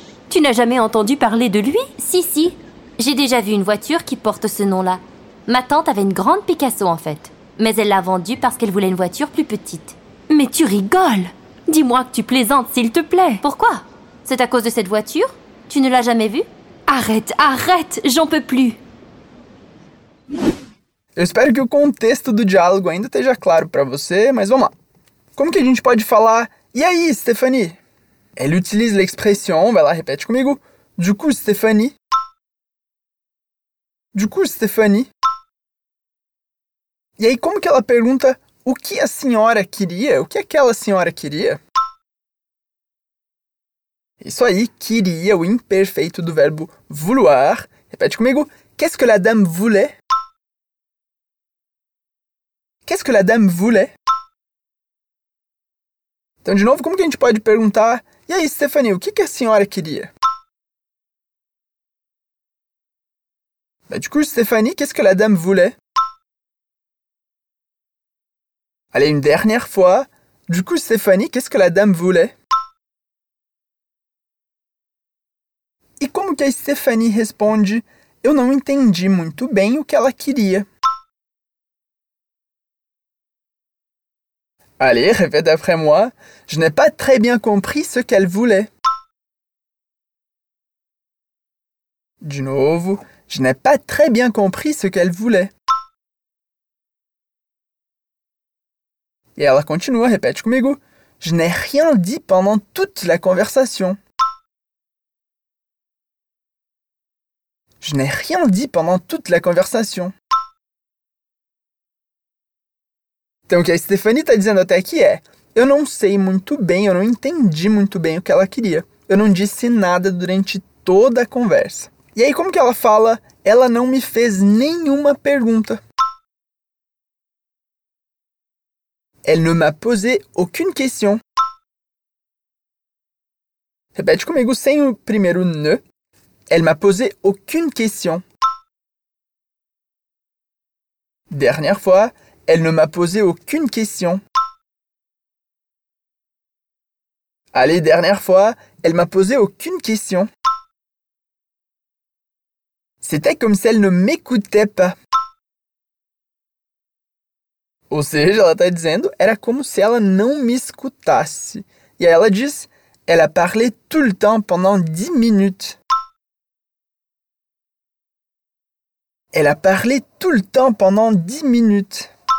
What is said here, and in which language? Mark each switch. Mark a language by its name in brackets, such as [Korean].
[French] Tu n'as jamais entendu parler de lui? Si, si. J'ai déjà vu une voiture qui porte ce nom-là. Ma tante avait une grande Picasso, en fait. Mais elle l'a vendue parce qu'elle voulait une voiture plus petite. Mais tu rigoles! Dis-moi que tu plaisantes, s'il te plaît! Pourquoi? C'est à cause de cette voiture? Tu ne l'as jamais vue? Arrête, arrête! J'en peux plus! [Portuguese] Eu espero que o contexto do diálogo ainda esteja claro para você, mas vamos lá. Como que a gente pode falar? E aí, Stéphanie? [French] Elle utilise l'expression, [Portuguese] vai lá, repete comigo. [French] Du coup, [Portuguese] Stéphanie. [French] Du coup, Stéphanie. [Portuguese] E aí, como que ela pergunta? O que a senhora queria? O que aquela senhora queria? Isso aí, queria, o imperfeito do verbo vouloir. Repete comigo. [French] Qu'est-ce que la dame voulait? Qu'est-ce que la dame voulait? [Portuguese] Então, de novo, como que a gente pode perguntar? E aí, Stéphanie, o que a senhora queria? [French] Bah, du coup, Stéphanie, qu'est-ce que la dame voulait? Allez, une dernière fois. Du coup, Stéphanie, qu'est-ce que la dame voulait? [Portuguese] E como que a Stéphanie responde? Eu não entendi muito bem o que ela queria. [French] Allez, répète après moi. Je n'ai pas très bien compris ce qu'elle voulait. [Portuguese] De novo. [French] Je n'ai pas très bien compris ce qu'elle voulait. Et elle continue, répète comigo. Je n'ai rien dit pendant toute la conversation. Je n'ai rien dit pendant toute la conversation. [Portuguese] Então, o que a Stéphanie está dizendo até aqui é: eu não sei muito bem, eu não entendi muito bem o que ela queria. Eu não disse nada durante toda a conversa. E aí, como que ela fala? Ela não me fez nenhuma pergunta. [French] Elle ne m'a posé aucune question. [Portuguese] Repete comigo sem o primeiro ne. [French] Elle m'a posé aucune question. Dernière fois. Elle ne m'a posé aucune question. Allez, dernière fois, elle m'a posé aucune question. C'était comme si elle ne m'écoutait pas. [Portuguese] Ou seja, ela está dizendo, era como se ela não me escutasse. E aí ela diz, [French] Elle a parlé tout le temps pendant 10 minutes. Elle a parlé tout le temps pendant 10 minutes.